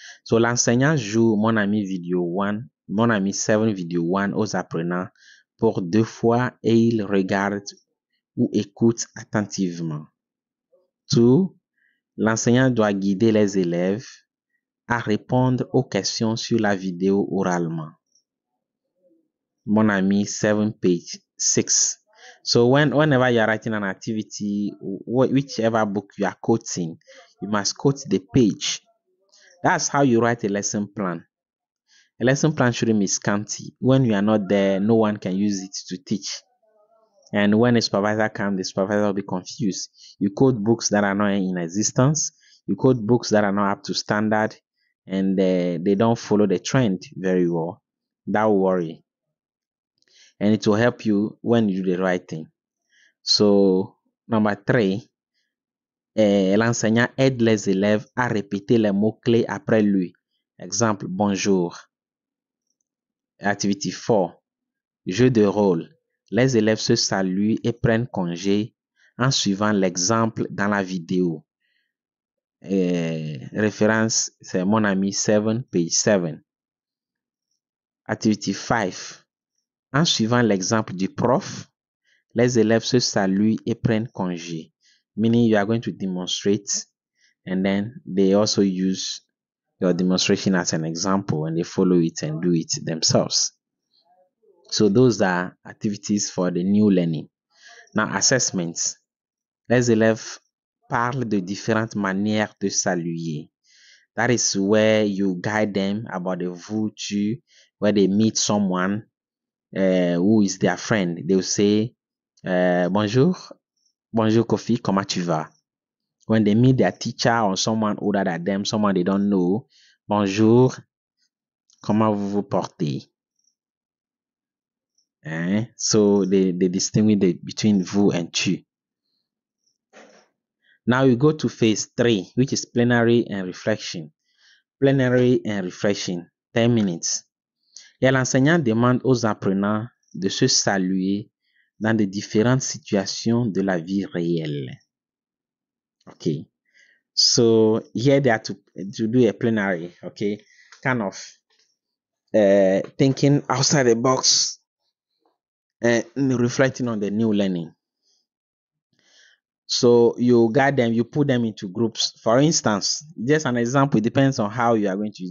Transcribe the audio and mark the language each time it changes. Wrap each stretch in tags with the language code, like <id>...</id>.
<fr>So, l'enseignant joue mon ami video 1, mon ami 7 video 1 aux apprenants pour deux fois et il regarde ou écoute attentivement. Tout. L'enseignant doit guider les élèves à répondre aux questions sur la vidéo oralement. Mon ami, 7 page 6.</fr> <en>So whenever you are writing an activity, whichever book you are quoting, you must quote the page. That's how you write a lesson plan. A lesson plan shouldn't be scanty. When you are not there, no one can use it to teach. And when a supervisor comes, the supervisor will be confused. You quote books that are not in existence. You quote books that are not up to standard. And they don't follow the trend very well. That will worry. And it will help you when you do the right thing. So, number three.</en> <fr>L'enseignant aide les élèves à répéter les mots-clés après lui. Example, bonjour.</fr> <en>Activity 4.</en> <fr>Jeu de rôle. Les élèves se saluent et prennent congé en suivant l'exemple dans la vidéo. Référence, c'est mon ami 7, page 7.</fr> <en>Activity 5.</en> <fr>En suivant l'exemple du prof, les élèves se saluent et prennent congé.</fr> <en>Meaning, you are going to demonstrate and then they also use your demonstration as an example and they follow it and do it themselves. So those are activities for the new learning. Now, assessments.</en> <fr>Les élèves parlent de différentes manières de saluer.</fr> <en>That is where you guide them about the vous, tu, where they meet someone who is their friend. They will say,</en> <fr>bonjour, bonjour Kofi, comment tu vas?</fr> <en>When they meet their teacher or someone older than them, someone they don't know,</en> <fr>bonjour, comment vous vous portez?</fr> <en>So they distinguish between vous and tu. Now we go to phase three, which is plenary and reflection. Plenary and reflection, 10 minutes.</en> <fr>Et l'enseignant demande aux apprenants de se saluer dans les différentes situations de la vie réelle.</fr> <en>OK. So here they are to do a plenary, okay? Kind of thinking outside the box and reflecting on the new learning. So you guide them, you put them into groups. For instance, just an example, it depends on how you are going to use.</en>